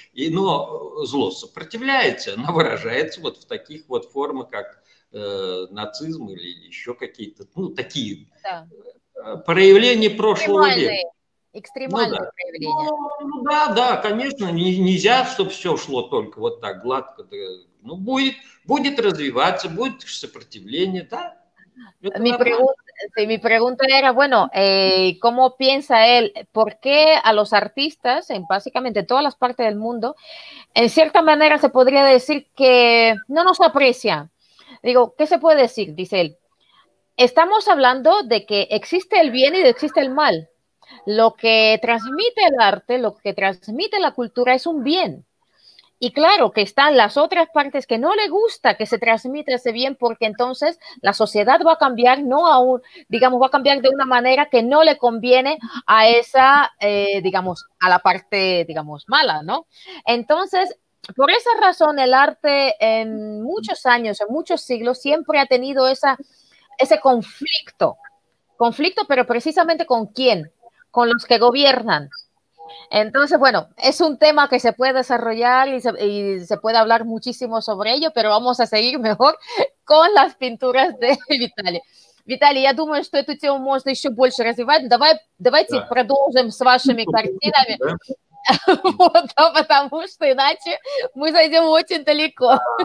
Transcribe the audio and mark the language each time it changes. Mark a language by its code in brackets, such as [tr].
[ru] Но зло сопротивляется, оно выражается вот в таких вот формах, как нацизм или еще какие-то, ну, такие проявления прошлого века. Экстремальные проявления. Ну, да, да, конечно, нельзя, чтобы все шло только вот так гладко. Ну, будет развиваться, будет сопротивление, да. [es] Mi pregunta era, bueno, ¿cómo piensa él? ¿Por qué a los artistas en básicamente todas las partes del mundo, en cierta manera se podría decir que no nos aprecia? Digo, ¿qué se puede decir? Dice él, estamos hablando de que existe el bien y existe el mal. Lo que transmite el arte, lo que transmite la cultura es un bien. Y claro que están las otras partes que no le gusta que se transmita ese bien porque entonces la sociedad va a cambiar, no aún, digamos, va a cambiar de una manera que no le conviene a esa, digamos, a la parte, digamos, mala, ¿no? Entonces, por esa razón, el arte en muchos años, en muchos siglos, siempre ha tenido ese conflicto. Conflicto, pero precisamente ¿con quién? Con los que gobiernan. Entonces, bueno, es un tema que se puede desarrollar y se puede hablar muchísimo sobre ello, pero vamos a seguir mejor con las pinturas de Виталий. [ru] Виталий, я думаю, что эту тему можно еще больше развивать. Давайте да. Продолжим с вашими картинами, да. Вот, потому что иначе мы зайдем очень далеко.